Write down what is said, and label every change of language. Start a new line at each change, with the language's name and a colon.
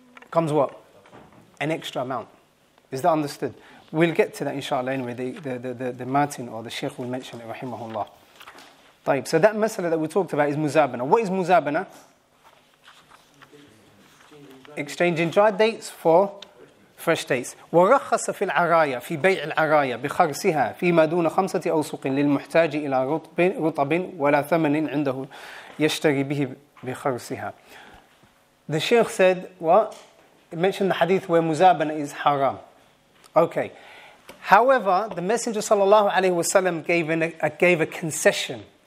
English: Comes what? An extra amount. Is that understood? We'll get to that inshallah anyway. The Martin or the Sheikh will mention it, rahimahullah.
Arabic: طيب,
English: so that masala that we talked about is muzabana. What is muzabana? Exchanging dry dates for fresh dates.
Arabic: ورخص في العرايا في بيع العرايا بخرسها فيما دون خمسة أوسق للمحتاج إلى رطب ولا ثمن عنده يشتري به بخرسها.
English: The Sheikh said, what? It mentioned the hadith where muzabana is haram. Okay. However, the Messenger sallallahu alaihi wasallam gave a concession.